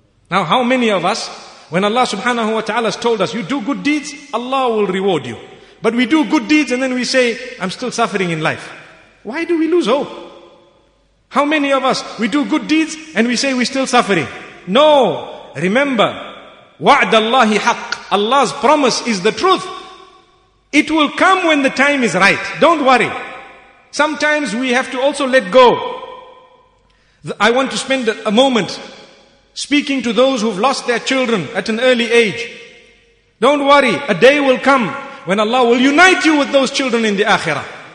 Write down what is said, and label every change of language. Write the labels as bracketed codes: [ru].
[en] Now how many of us, when Allah subhanahu wa ta'ala has told us, you do good deeds, Allah will reward you. But we do good deeds and then we say, I'm still suffering in life. Why do we lose hope? How many of us, we do good deeds and we say we're still suffering? No, remember, [ar] وَعْدَ اللَّهِ حَقْ. [en] Allah's promise is the truth. It will come when the time is right. Don't worry. Sometimes we have to also let go. I want to spend a moment speaking to those who've lost their children at an early age. Don't worry, a day will come when Allah will unite you with those children in the Akhirah.